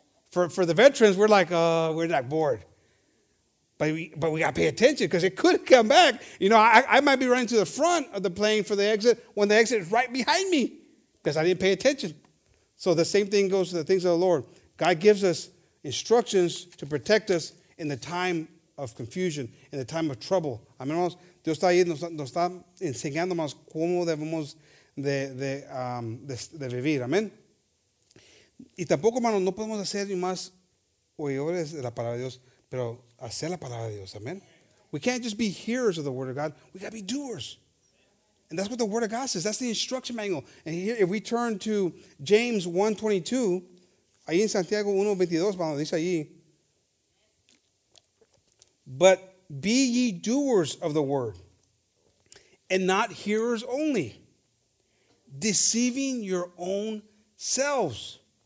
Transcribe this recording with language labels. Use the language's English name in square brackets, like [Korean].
[English] For the veterans, we're like, we're not bored. But we got to pay attention, because it could come back. You know, I might be running to the front of the plane for the exit when the exit is right behind me, because I didn't pay attention. So the same thing goes to the things of the Lord. God gives us instructions to protect us in the time of confusion, in the time of trouble. [Spanish] Amén, hermanos. Dios está ahí, nos está enseñando más cómo debemos de vivir. Amén. Y tampoco, hermanos, no podemos hacer ni más oidores de la palabra de Dios, pero hacer la palabra de Dios. Amén. [English] We can't just be hearers of the word of God. We got to be doers. And that's what the word of God says. That's the instruction manual. And here, if we turn to James 1:22, [Spanish] ahí en Santiago 1:22, hermano, dice ahí, [English] but be ye doers of the word, and not hearers only, deceiving your own selves.